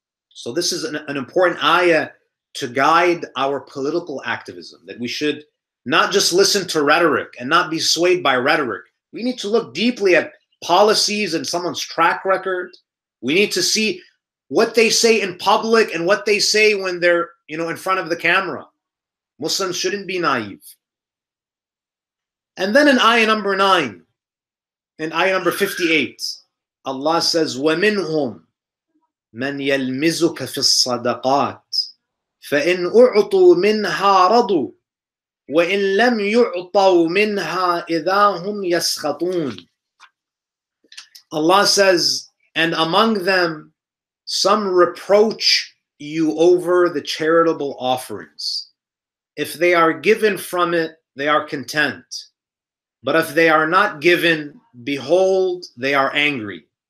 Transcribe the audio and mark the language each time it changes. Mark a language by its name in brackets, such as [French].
[English] So this is an important ayah to guide our political activism, that we should not just listen to rhetoric and not be swayed by rhetoric. We need to look deeply at policies and someone's track record. We need to see what they say in public and what they say when they're, you know, in front of the camera. Muslims shouldn't be naive. And then in ayah number 9, in ayah number 58, Allah says, [Arabic] وَمِنْهُمْ مَنْ يَلْمِزُكَ فِي الصَّدَقَاتِ فَإِنْ أُعْطُوا مِنْهَا رَضُوا وَإِنْ لَمْ يُعْطَوْا مِنْهَا إِذَا هُمْ يَسْخَطُونَ. [English] Allah says, and among them, some reproach you over the charitable offerings. If they are given from it, they are content. But if they are not given, behold, they are angry.